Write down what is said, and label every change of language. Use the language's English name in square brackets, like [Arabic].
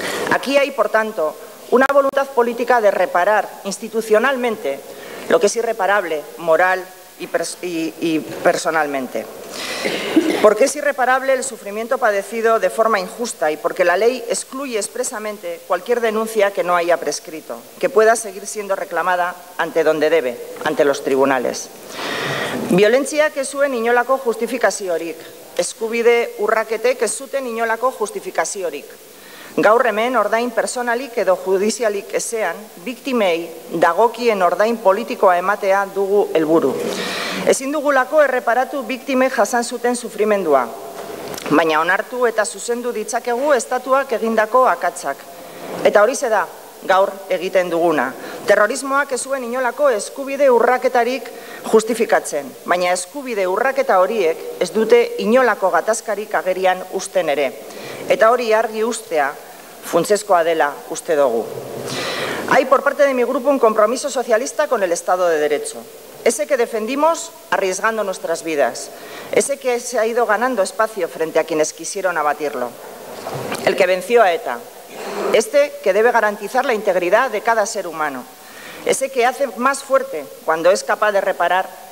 [Spanish] Aquí hay, por tanto, una voluntad política de reparar institucionalmente lo que es irreparable moral y personalmente. Porque es irreparable el sufrimiento padecido de forma injusta y porque la ley excluye expresamente cualquier denuncia que no haya prescrito, que pueda seguir siendo reclamada ante donde debe, ante los tribunales. Violencia [Basque] que zuen inolako justifikaziorik. Eskubide urrakete que zuten inolako justifikaziorik. Gaur hemen ordain personalik edo judizialik ezean, biktimei dagokien ordain politikoa ematea dugu helburu. Ezin dugulako erreparatu biktime jasan zuten sufrimendua, baina onartu eta zuzendu ditzakegu estatuak egindako akatsak. Eta hori da gaur egiten duguna. Terrorismoak ez zuen inolako eskubide urraketarik justifikatzen, baina eskubide urraketa horiek ez dute inolako gatazkarik agerian uzten ere. Eta hori argi ustea, funtsezkoa dela uste dugu. [Spanish] Hay por parte de mi grupo un compromiso socialista con el Estado de Derecho. Ese que defendimos arriesgando nuestras vidas. Ese que se ha ido ganando espacio frente a quienes quisieron abatirlo. El que venció a ETA. Este que debe garantizar la integridad de cada ser humano. Ese que hace más fuerte cuando es capaz de reparar